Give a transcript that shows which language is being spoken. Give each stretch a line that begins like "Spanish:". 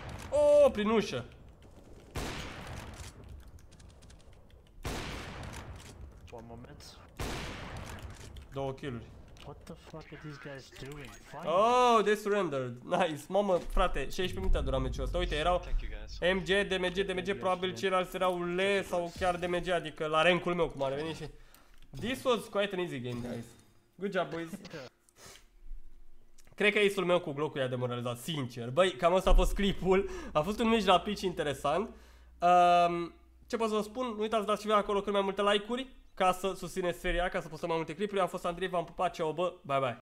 Romanian: Oh, prin ușă.
English: One moment.
Romanian: Două kill-uri.
English: What the fuck are these guys doing? Oh, they surrendered. Nice.
Romanian: Mamă, frate, 16 minute a durat meciul ăsta. Uite, erau MG, DMG, DMG, probabil ceilalți erau LE sau chiar DMG, adică la rank-ul meu cum a revenit și...
English: This was quite an easy game, guys. Good job, boys.
Romanian: Cred că ace-ul meu cu Glock-ul i-a demoralizat, sincer. Băi, cam ăsta a fost clipul. A fost un meci rapid și interesant. Ce pot să vă spun? Nu uitați să dați și voi acolo cât mai multe like-uri ca să susțineți seria, ca să postăm mai multe clipuri. Am fost Andrei, v-am pupat, ceau, bă, bye bye.